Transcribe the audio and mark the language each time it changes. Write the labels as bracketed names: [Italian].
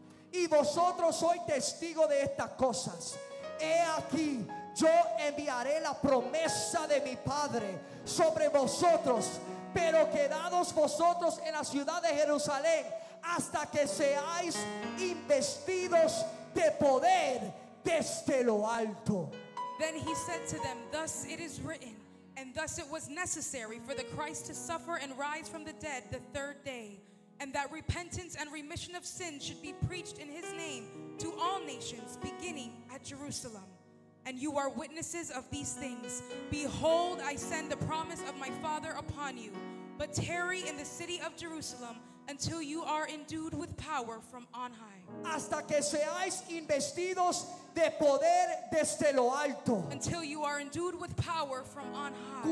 [Spanish] Y vosotros sois testigo de estas cosas. He aquí, yo enviaré la promesa de mi Padre sobre vosotros, pero quedados vosotros en la ciudad de Jerusalén hasta que seáis investidos de poder desde lo alto. [English] Then he said to them, thus it is written, and thus it was necessary for the Christ to suffer and rise from the dead the third day, and that repentance and remission of sins should be preached in his name to all nations, beginning at Jerusalem. And you are witnesses of these things. Behold, I send the promise of my Father upon you, but tarry in the city of Jerusalem until you are endued with power from on high. [Spanish] Hasta que seáis investidos de poder desde lo alto. [English] Until you are endued with power from on high.